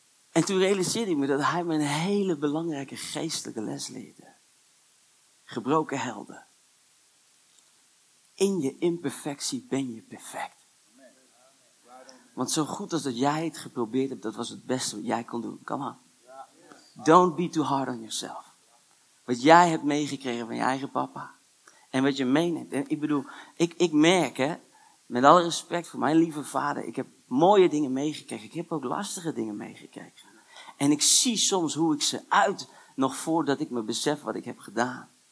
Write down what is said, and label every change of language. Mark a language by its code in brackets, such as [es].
[nl] En toen realiseerde ik me dat hij me een hele belangrijke geestelijke les leerde. Gebroken helden. In je imperfectie ben je perfect. Want zo goed als dat jij het geprobeerd hebt, dat was het beste wat jij kon doen. [en] Come on. Don't be too hard on yourself. [nl] Wat jij hebt meegekregen van je eigen papa. En wat je meeneemt. En ik bedoel, ik merk, hè, met alle respect voor mijn lieve vader, ik heb mooie dingen meegekregen. Ik heb ook lastige dingen meegekregen. En ik zie soms hoe ik ze uit, nog voordat ik me besef wat ik heb gedaan.